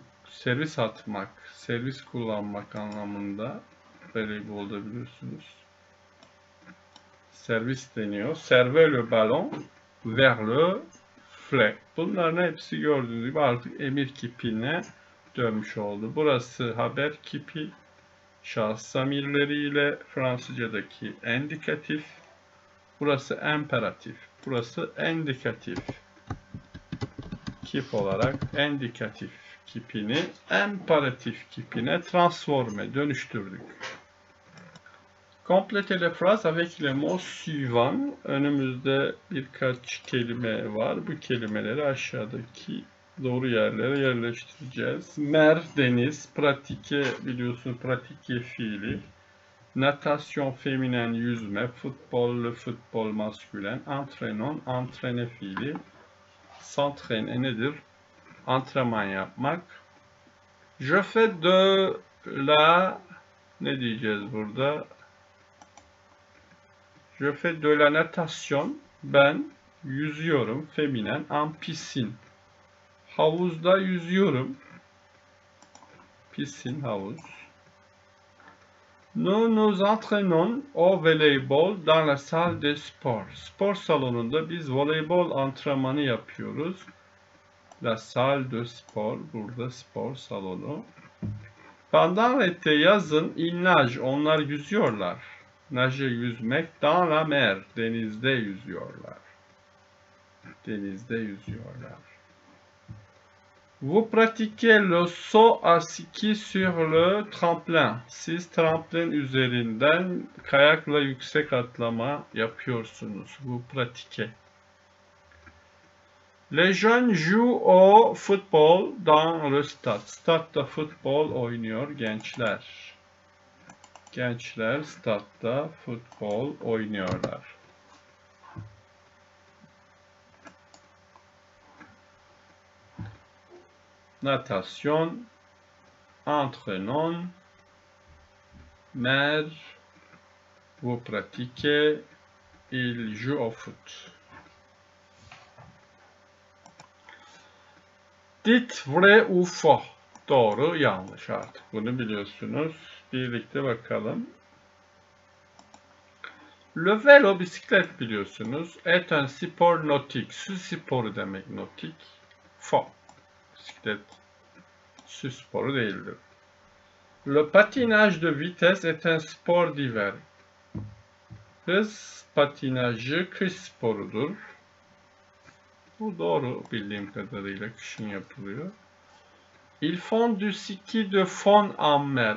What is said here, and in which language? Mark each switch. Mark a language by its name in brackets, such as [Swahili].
[Turkish] Servis atmak, servis kullanmak anlamında voleybolda biliyorsunuz. Servis deniyor. [French] Servez le ballon vers le file. [Turkish] Bunların hepsi gördüğünüz gibi artık emir kipine dönmüş oldu. Burası haber kipi. Şahıs zamirleriyle Fransızca'daki endikatif. Burası imperatif. Burası endikatif. Kip olarak endikatif kipini imperatif kipine transforme, dönüştürdük. [French] Complétez la phrase avec les mots suivants. [Turkish] Önümüzde birkaç kelime var. Bu kelimeleri aşağıdaki doğru yerlere yerleştireceğiz. Mer, deniz. Pratique, biliyorsun, pratique fiili. Natasyon, feminen, yüzme. Futbol, futbol, maskülen. Antrenon, antrene fiili. S'entraîner nedir? Antrenman yapmak. [French] Je fais de la... [Turkish] Ne diyeceğiz burada? [French] Je fais de la natation. [Turkish] Ben yüzüyorum. Feminen, [French] en piscine. [Turkish] Havuzda yüzüyorum. Piscine, havuz. [French] Nous nous entraînons au voleybol dans la salle de sport. [Turkish] Spor salonunda biz voleybol antrenmanı yapıyoruz. [French] La salle de sport, [Turkish] burada spor salonu. [French] Pendant l'été, yazın, ils nagent, [Turkish] onlar yüzüyorlar. [French] Nage, yüzmek, dans la mer, [Turkish] denizde yüzüyorlar. [French] Vous pratiquez le saut à ski sur le tremplin. [Turkish] Siz tramplin üzerinden kayakla yüksek atlama yapıyorsunuz. [French] Vous pratiquez. Les jeunes jouent au football dans le stade. [Turkish] Stadda futbol oynuyor gençler. Gençler statta futbol oynuyorlar. [French] Natasyon, antrenon, mer, vous pratiquez, il joue au foot. Dit vrai ou faux? [Turkish] Doğru, yanlış artık. Bunu biliyorsunuz. Birlikte bakalım. [French] Le vélo, [Turkish] bisiklet biliyorsunuz. [French] Est un sport nautique. [Turkish] Su sporu demek nautique. Faux. Bisiklet. Su sporu değildir. [French] Le patinage de vitesse est un sport d'hiver. [Turkish] Hız patinajı kış sporudur. Bu doğru bildiğim kadarıyla kışın yapılıyor. [French] Ils font du ski de fond en mer.